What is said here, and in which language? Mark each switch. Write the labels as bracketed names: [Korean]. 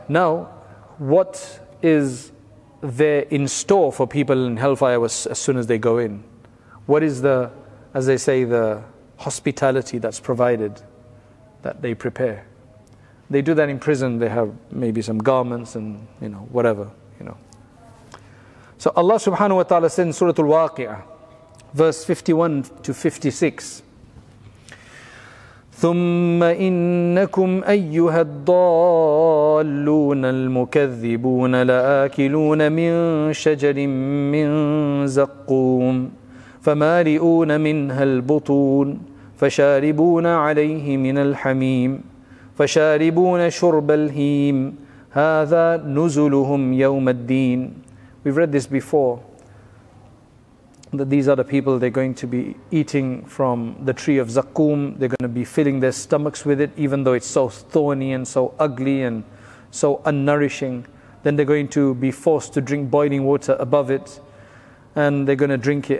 [English] Now, what is there in store for people in hellfire as soon as they go in? What is the, as they say, the hospitality that's provided that they prepare? They do that in prison. They have maybe some garments and, you know, whatever, you know. So Allah subhanahu wa ta'ala says in Surah Al-Waqi'ah, verse 51 to 56, [Arabic] ثُمَّ إِنَّكُمْ أَيُّهَا الضَّالُّونَ الْمُكَذِّبُونَ لَآكِلُونَ مِنْ شَجَرٍ مِنْ زَقُّومٍ فَمَالِئُونَ مِنْهَا الْبُطُونَ فَشَارِبُونَ عَلَيْهِ مِنَ الْحَمِيمِ فَشَارِبُونَ شُرْبَ الْهِيمِ هَذَا نُزُلُهُمْ يَوْمَ الدِّينِ. [English] We've read this before, that these are the people, they're going to be eating from the tree of Zakkum. They're going to be filling their stomachs with it, even though it's so thorny and so ugly and so unnourishing. Then they're going to be forced to drink boiling water above it, and they're going to drink it.